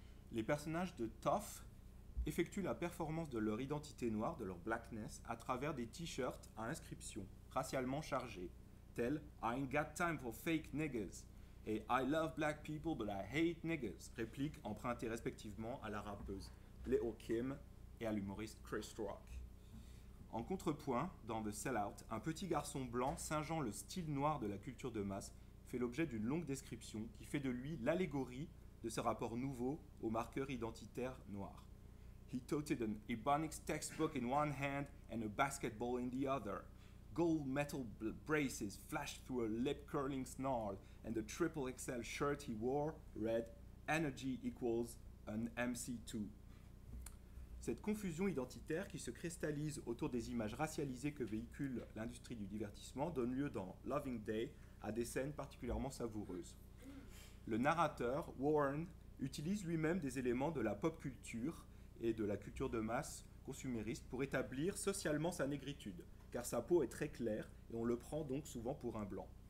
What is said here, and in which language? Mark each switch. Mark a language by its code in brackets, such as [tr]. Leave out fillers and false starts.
[fr] Les personnages de Tough effectuent la performance de leur identité noire, de leur blackness, à travers des t-shirts à inscription racialement chargée, tel « [en] I ain't got time for fake niggas [fr] » et « [en] I love black people but I hate niggas [fr] » répliquent empruntées respectivement à la rappeuse Lil' Kim et à l'humoriste Chris Rock. En contrepoint, dans The Sellout, un petit garçon blanc singeant le style noir de la culture de masse fait l'objet d'une longue description qui fait de lui l'allégorie de ce rapport nouveau au marqueur identitaire noir. [en] « He toted an Ebonics textbook in one hand and a basketball in the other. » Gold metal braces flashed through a lip-curling snarl, and the triple XL shirt he wore read "Energy equals an MC2". [fr] Cette confusion identitaire qui se cristallise autour des images racialisées que véhicule l'industrie du divertissement donne lieu dans Loving Day à des scènes particulièrement savoureuses. Le narrateur, Warren, utilise lui-même des éléments de la pop culture et de la culture de masse consumériste pour établir socialement sa négritude, car sa peau est très claire et on le prend donc souvent pour un blanc.